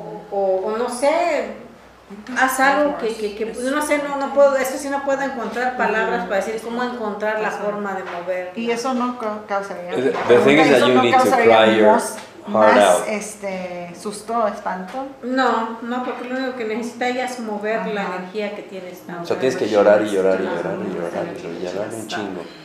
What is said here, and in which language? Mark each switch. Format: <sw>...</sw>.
<es>O no sé, haz algo que no sé, no puedo, eso sí no puedo encontrar palabras para decir cómo encontrar la forma de mover. Y eso no causaría.</es> <en>The thing is that you need to cry your heart</en> <es>más,</es> <en>out.</en> <es>Este, susto, espanto. No, no, porque lo único que necesita ya es mover la energía que tienes. O sea, tienes que llorar y llorar y llorar y llorar y llorar, y llorar un chingo.</es>